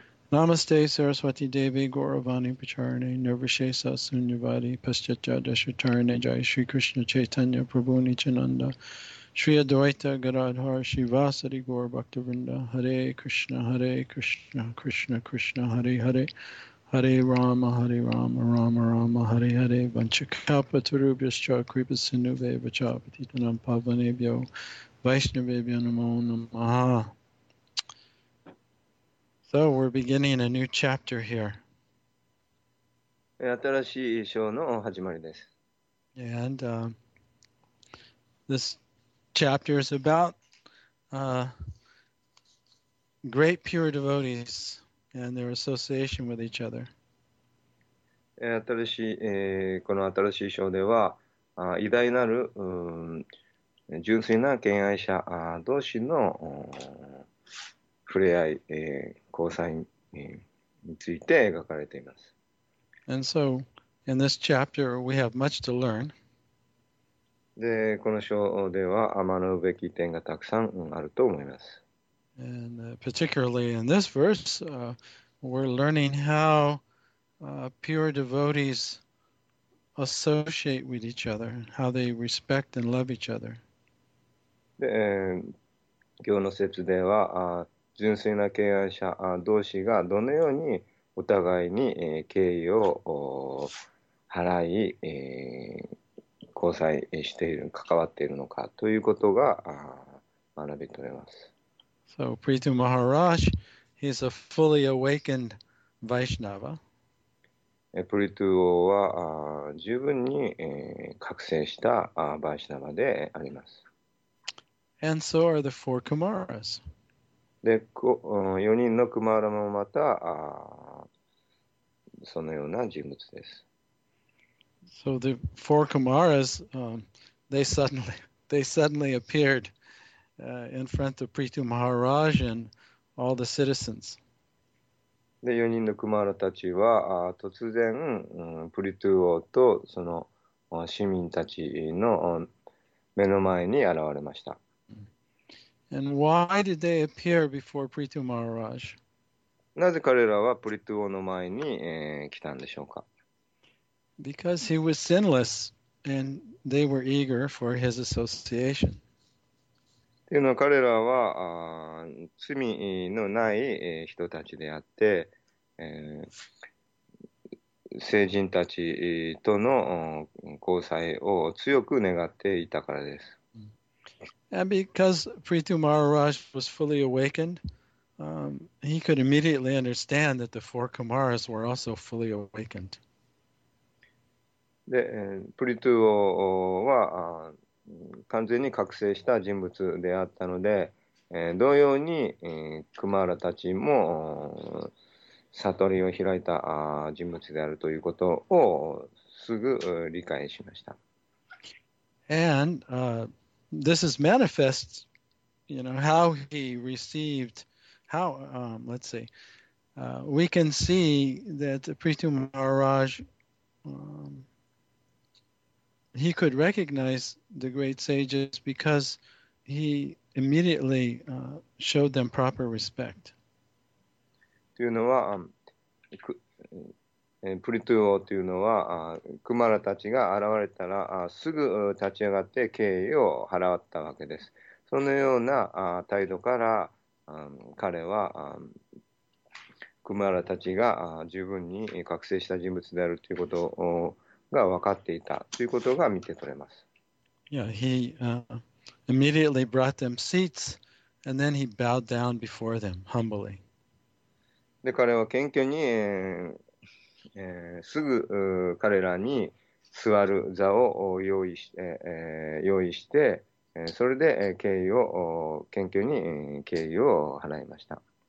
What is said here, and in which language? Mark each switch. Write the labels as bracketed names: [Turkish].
[Sanskrit] Namaste Saraswati Devi Gauravani Pacharane Nirvishesa Sunyavadi Paschatya Dashvatarane Jai Shri Krishna Chaitanya Prabhu Nichananda Shri Adwaita Garadhar Shri Vasari Gaur Bhakta Vrinda Hare Krishna Hare Krishna Krishna Krishna Hare Hare Hare Rama, Hare Rama, Rama Rama, Hare Hare, Vanchakalpa, Turubhyascha, Kripa Sindhuve, Vachapatitanam, Pavanebhyo, Vaishnavebhyo, Namo Namaha. [English] So we're beginning a new chapter here. [Japanese] 新しい章の始まりです。 [English] And this chapter is about great pure devotees and their association with each other. [Japanese] この新しい章では偉大なる、純粋な敬愛者同士の触れ合い、交際について描かれています。 [English] And so, in this chapter, we have much to learn. [Japanese] でこの章では学ぶべき点がたくさんあると思います。 [English] And particularly in this verse, we're learning howpure devotees associate with each other, how they respect and love each other. [Japanese] で、今日の説では、純粋な敬愛者同士がどのようにお互いに、敬意を払い、交際している、関わっているのかということが学び取れます。 [English] So, Prithu Maharaj, he's a fully awakened Vaishnava. [Japanese] プリトゥ王は十分に覚醒したバイシナバであります。 [English] And so are the four Kumaras. [Japanese] で、4人のクマラもまたそのような人物です。 [English] So the four Kumaras, they suddenly appeared in front of Prithu Maharaj and all the citizens. [Japanese] で4人のクマラたちは突然、プリトゥ王とその市民たちの目の前に現れました。 [English] And why did they appear before Prithu Maharaj? [Japanese] なぜ彼らはプリトゥ王の前に、来たんでしょうか? [English] Because he was sinless and they were eager for his association. [Japanese] というのは彼らは罪のない人たちであって、聖人たちとの交際を強く願っていたからです。 [English] And because Prithu Maharaj was fully awakened, he could immediately understand that the four Kumaras were also fully awakened. [Japanese] で、プリトゥ王は完全に覚醒した人物であったので、同様に、クマラたちも悟りを開いた人物であるということをすぐ理解しました。 [English] And this is manifest, you know, how he received, how, let's see, we can see that Prithu Maharaj, he could recognize the great sages because he immediately showed them proper respect. [Japanese] というのは、プリトゥ王というのは、クマラたちが現れたら、すぐ立ち上がって敬意を払ったわけです。そのような態度から、彼は、クマラたちが十分に覚醒した人物であるということをが分かっていたということが見て取れます。 [English] Yeah, he immediately brought them seats, and then he bowed down before them humbly. [Japanese] で、彼は謙虚に、すぐ彼らに座る座を用意して、それで敬意を謙虚に敬意を払いました。